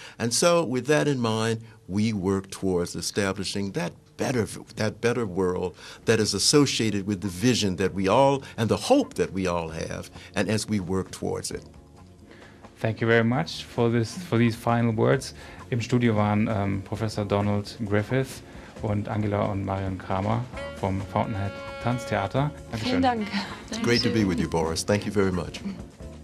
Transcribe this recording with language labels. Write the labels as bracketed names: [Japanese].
[English] And so with that in mind, we work towards establishing that better world that is associated with the vision that we all, and the hope that we all have, and as we work towards it. Thank you very much for these final words. [German] Im Studio waren Professor Donald Griffith und Angela und Marion Kramer vom Fountainhead Tanztheater. Vielen Dank. [English] It's great to be with you, Boris. Thank you very much.